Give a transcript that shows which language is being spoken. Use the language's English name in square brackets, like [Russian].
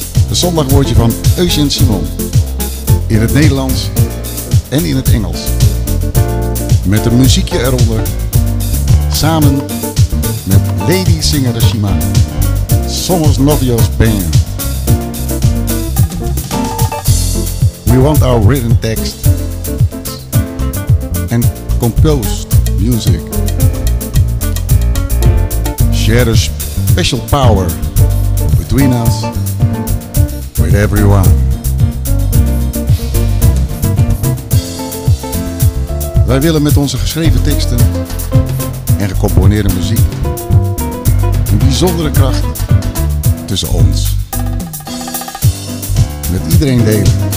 [Dutch] Een zondagwoordje van Eugene Simon, in het Nederlands en in het Engels, met een muziekje eronder, samen met Lady Señora Shima, Somos Novios Band. [English] We want our written text and composed music. Share a special power between us with everyone. [Dutch] Wij willen met onze geschreven teksten en gecomponeerde muziek een bijzondere kracht tussen ons met iedereen delen.